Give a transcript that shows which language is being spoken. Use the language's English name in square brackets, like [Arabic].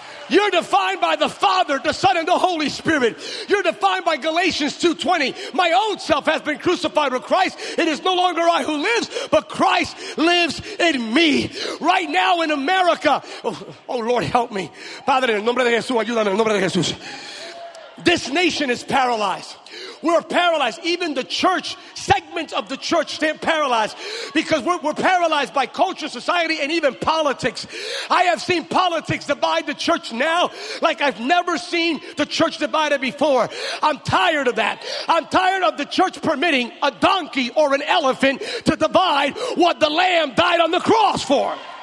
[English] You're defined by the Father, the Son, and the Holy Spirit. You're defined by Galatians 2:20. My own self has been crucified with Christ. It is no longer I who lives, but Christ lives in me. Right now in America, oh Lord, help me. [Spanish] Padre, en el nombre de Jesús, ayúdame, en el nombre de Jesús. [English] This nation is paralyzed. We're paralyzed. Even the church, segments of the church stand paralyzed because we're paralyzed by culture, society, and even politics. I have seen politics divide the church now like I've never seen the church divided before. I'm tired of that. I'm tired of the church permitting a donkey or an elephant to divide what the Lamb died on the cross for.